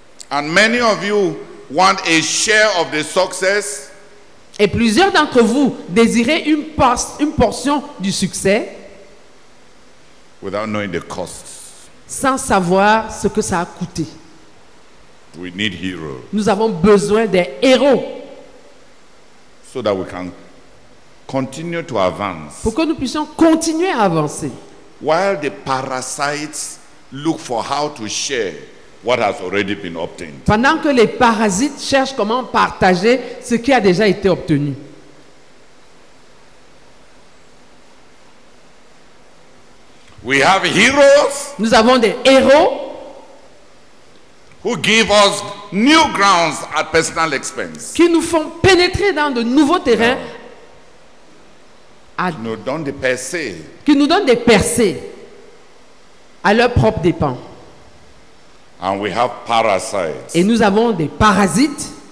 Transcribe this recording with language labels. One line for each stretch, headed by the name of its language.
English: And many of you want a share of the success.
French: Et plusieurs d'entre vous désirez une portion du succès.
English: Without knowing the costs.
French: Sans savoir ce que ça a coûté.
English: We need heroes.
French: Nous avons besoin des héros.
English: So that we can continue to advance.
French: Pour que nous puissions continuer à avancer.
English: While the parasites look for how to share what has already been obtained.
French: Pendant que les parasites cherchent comment partager ce qui a déjà été obtenu.
English: We have heroes.
French: Nous avons des héros.
English: Who give us new grounds at personal expense.
French: Qui nous font pénétrer dans de nouveaux terrains. Yeah. Qui nous donnent des percées à leurs propres dépens.
English: And we have parasites.
French: Et nous avons des parasites